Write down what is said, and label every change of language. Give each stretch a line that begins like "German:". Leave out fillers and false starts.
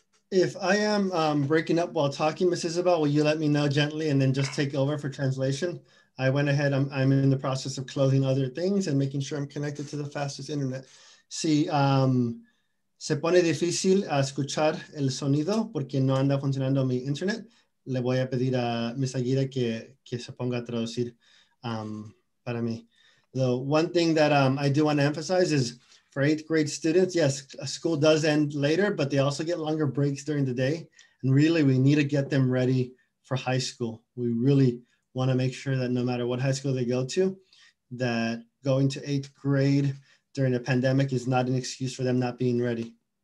English: If I am breaking up while talking, Ms. Isabel, will you let me know gently and then just take over for translation? I went ahead, I'm in the process of closing other things and making sure I'm connected to the fastest internet.
Spanish: Se pone difícil escuchar el sonido porque no anda funcionando mi internet. Le voy a pedir a Ms. Aguirre que se ponga a traducir para mí.
English: The one thing that I do want to emphasize is for eighth grade students, yes, school does end later, but they also get longer breaks during the day. And really, we need to get them ready for high school. We really want to make sure that no matter what high school they go to, that going to eighth grade during a pandemic is not an excuse for them not being ready.